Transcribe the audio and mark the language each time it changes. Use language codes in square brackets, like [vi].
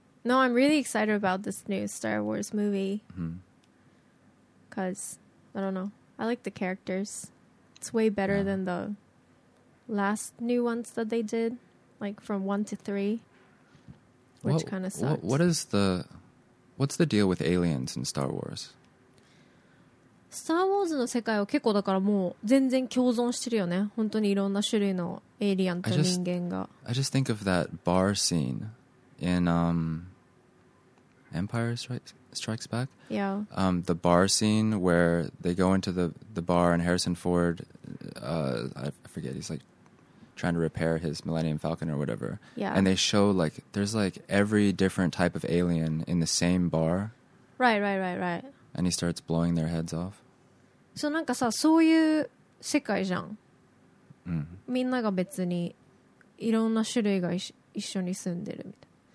[en] No, I'm really excited about this new Star Wars movie. Because, I don't know. I like the characters. It's way better than the last new ones that they did, like from 1 to 3, which kind of sucks. What's the deal with aliens in Star Wars? [ja] スターウォーズの世界は結構だからもう全然共存してるよね。本当にいろんな種類のエイリアンと人間が。 [en] I just think of that bar scene in Empire Strikes Back. Yeah. The bar scene where they go into the bar and Harrison Ford, I forget, he's like trying to repair his Millennium Falcon or whatever. Yeah. And they show like there's like every different type of alien in the same bar. Right, right, right, right. And he starts blowing their heads off. [ja] So, なんかさ、そういう世界じゃん。みんなが別にいろんな種類が一緒に住んでるみたい。